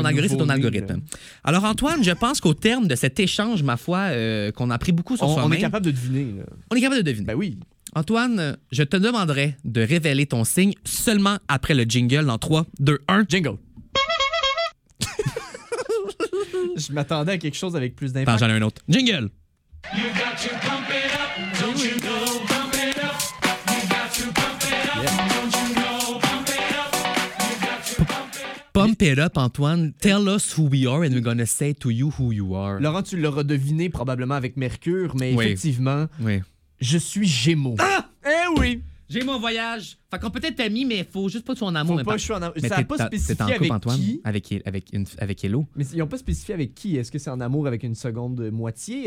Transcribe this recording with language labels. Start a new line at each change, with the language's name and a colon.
French: ton algorithme, c'est ton algorithme. Alors, Antoine, je pense qu'au terme de cet échange, ma foi, qu'on a appris beaucoup sur soi-même... On est capable de deviner. Là. On est capable de deviner. Ben oui. Antoine, je te demanderai de révéler ton signe seulement après le jingle dans 3, 2, 1... Jingle! Je m'attendais à quelque chose avec plus d'impact. J'en ai un autre. Jingle!
English: You got to pump it up, don't you go pump it up. You got to pump it up, yeah. Don't you go pump it up. You got to pump it up. Pump it up, Antoine. Tell us who we are and we're gonna say to you who you are.
French: Laurent, tu l'auras deviné probablement avec Mercure, mais oui. Effectivement, oui. Je suis Gémeaux. Ah! Eh oui! J'ai mon voyage. Fait qu'on peut être amis, mais faut juste pas que tu sois en amour. Faut pas que je sois en amour. Ça a pas spécifié t'es en couple, avec Antoine, qui? Avec Hello. Mais ils ont pas spécifié avec qui. Est-ce que c'est en amour avec une seconde moitié?